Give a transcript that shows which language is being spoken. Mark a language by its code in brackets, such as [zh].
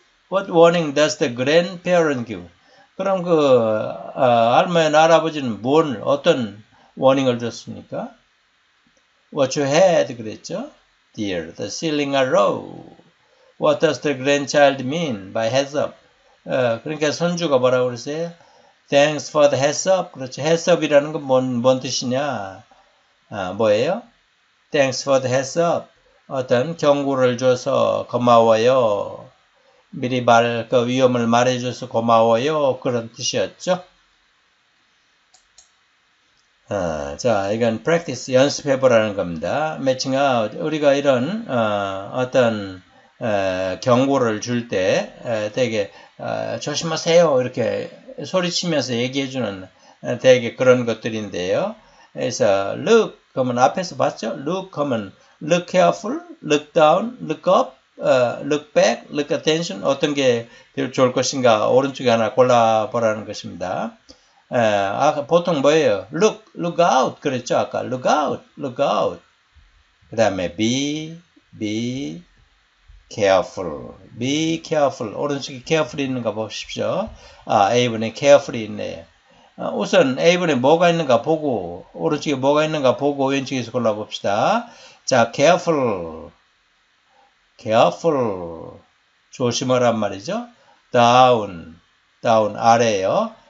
[en] What warning does the grandparent give? [ko] 그럼 할머니나 할아버지는 어떤 워닝을 줬습니까? [en] Watch your head, [ko] 그랬죠. [en] Dear, the ceiling are low. What does the grandchild mean by heads up? [ko] 그러니까 손주가 뭐라고 그러세요? [en] Thanks for the heads up. [ko] 그렇죠. Heads up이라는 건 뭔 뜻이냐? 뭐예요? [en] Thanks for the heads up. [ko] 어떤 경고를 줘서 고마워요. 미리 그 위험을 말해줘서 고마워요. 그런 뜻이었죠. 자, 이건 practice, 연습해보라는 겁니다. [en] Matching out. [ko] 우리가 이런 어떤 경고를 줄 때, 되게 조심하세요 이렇게 소리치면서 얘기해주는 되게 그런 것들인데요. 그래서 look 그러면 앞에서 봤죠? [en] Look 하면 look careful, look down, look up, look back, look attention [ko] 어떤 게 좋을 것인가 오른쪽에 하나 골라보라는 것입니다. 보통 뭐예요? [en] Look out [ko] 그랬죠 아까 [en] look out, look out. [ko] 그 다음에 [en] be careful, be careful. [ko] 오른쪽에 careful 있는가 보십시오. 아, A분에 careful 있네요. 우선 A분에 뭐가 있는가 보고, 오른쪽에 뭐가 있는가 보고, 왼쪽에서 골라봅시다. [en] 자, careful, careful. [ko] 조심하란 말이죠. down, 아래요.